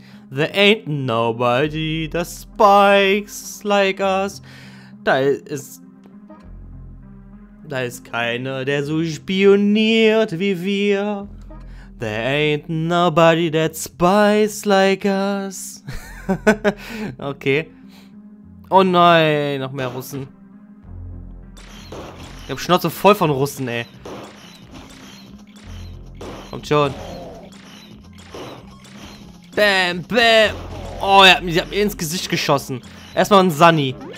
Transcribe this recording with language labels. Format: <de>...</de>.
<en>There ain't nobody that spikes like us.</en> <de>Da ist keiner, der so spioniert wie wir.</de> <en>There ain't nobody that spies like us. Okay.</en> <de>Oh nein, noch mehr Russen. Ich hab Schnauze voll von Russen, ey. Kommt schon. Bam, bam. Oh, sie hat mir ins Gesicht geschossen. Erstmal ein Sunny.</de>